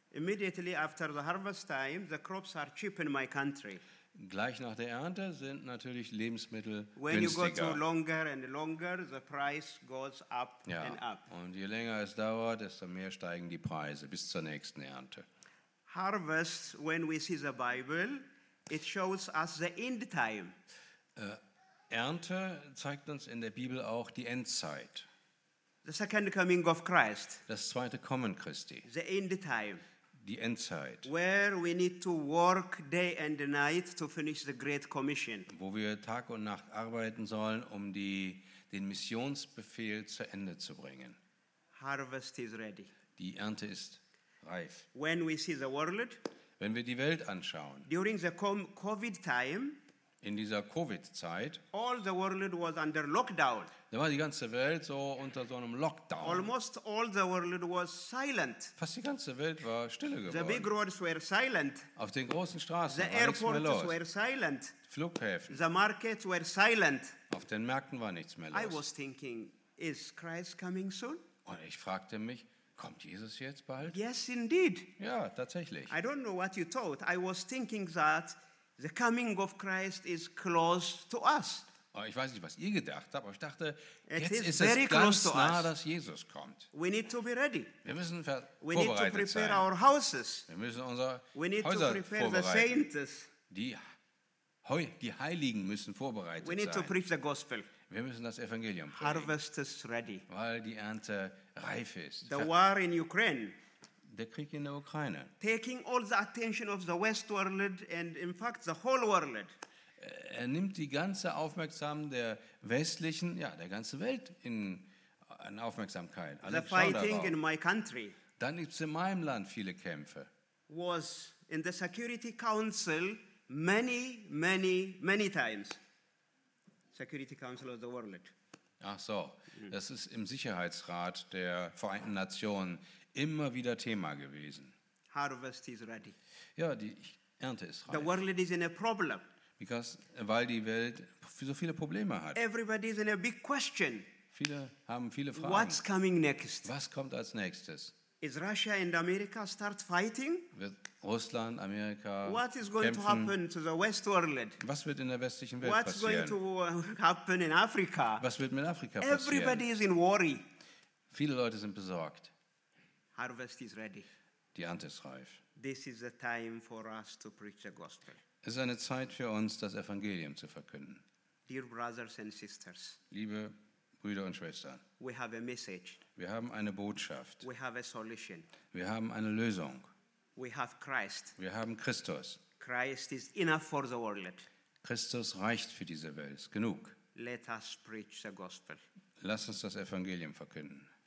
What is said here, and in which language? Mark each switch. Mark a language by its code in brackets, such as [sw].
[en] Immediately after the harvest time, the crops are cheap in my country. [de] Gleich nach der Ernte sind natürlich Lebensmittel [en] When [de] günstiger. [en] When you go to longer and longer, the price goes up and up. [de] Und je länger es dauert, desto mehr steigen die Preise bis zur nächsten Ernte. [en] Harvest, when we see the Bible, it shows us the end time. [de] Ernte zeigt uns in der Bibel auch die Endzeit. [en] The second coming of Christ. [de] Das zweite Kommen Christi. [en] The end time. [de] Die Endzeit. [en] Where we need to work day and night to finish the Great Commission. [de] Wo wir Tag und Nacht arbeiten sollen, um den Missionsbefehl zu Ende zu bringen. [en] Harvest is ready. [de] Die Ernte ist reif. [en] When we see the world. [de] Wenn wir die Welt anschauen. [en] During the COVID time. [de] In dieser Covid-Zeit, [en] all the world was under lockdown. [de] Da war die ganze Welt so unter so einem Lockdown. [en] Almost all the world was silent. [de] Fast die ganze Welt war stille geworden. [en] The big roads were silent. [de] Auf den großen Straßen [en] the [de] war nichts mehr los. [en] The airports were silent. [de] Flughäfen. [en] The markets were silent. [de] Auf den Märkten war nichts mehr los. [en] I was thinking, is Christ coming soon? [de] Und ich fragte mich, kommt Jesus jetzt bald? [en] Yes, indeed. [de] Ja, tatsächlich. [en] I don't know what you thought. I was thinking that the coming of Christ is close to us. [de] Ich weiß nicht, was ihr gedacht habt, aber ich dachte, jetzt ist es ganz nah, dass Jesus kommt. [en] We need to be ready. [de] Wir müssen [en] We need to prepare our houses. [de] Wir müssen unsere Häuser vorbereiten. Die Heiligen müssen vorbereitet sein. [en] We need to preach the gospel. [de] Wir müssen das Evangelium predigen. [en] Harvest is ready. [de] Weil die Ernte reif ist. [en] The war in Ukraine. [de] Der Krieg in der Ukraine. [en] Taking all the attention of the West world and in fact the whole world. [de] Er nimmt die ganze Aufmerksamkeit der westlichen, ja, der ganzen Welt in Aufmerksamkeit. [en] The fighting in my country. [de] Dann gibt es in meinem Land viele Kämpfe. [en] Was in the Security Council many, many, many times. Security Council of the world. [de] Ach so, das ist im Sicherheitsrat der Vereinten Nationen immer wieder Thema gewesen. [en] Harvest is ready. [de] Ja, die Ernte ist reif. [en] The world is in a problem. [de] Weil die Welt so viele Probleme hat. [en] Everybody is in a big question. [de] Viele haben viele Fragen. [en] What's coming next? [de] Was kommt als nächstes? [en] Is Russia and America start fighting? [de] Wird Russland, Amerika kämpfen? [en] What is going to happen to the West world? [de] Was wird in der westlichen Welt [en] What's [de] passieren? [en] What's going to happen in Africa? [de] Was wird mit Afrika passieren? [en] Everybody is in worry. [de] Viele Leute sind besorgt. [en] Harvest is ready. [de] Die Ernte ist reif. [en] This is the time for us to preach the gospel. [de] Es ist eine Zeit für uns, das Evangelium zu verkünden. [en] Dear brothers and sisters. [de] Liebe Brüder und Schwestern. [en] We have a message. [de] Wir haben eine Botschaft. [en] We have a solution. [de] Wir haben eine Lösung. [en] We have Christ. [de] Wir haben Christus. [en] Christ is enough for the world. [de] Christus reicht für diese Welt. Ist genug. [en] Let us preach the gospel. [de] Lass uns das Evangelium verkünden.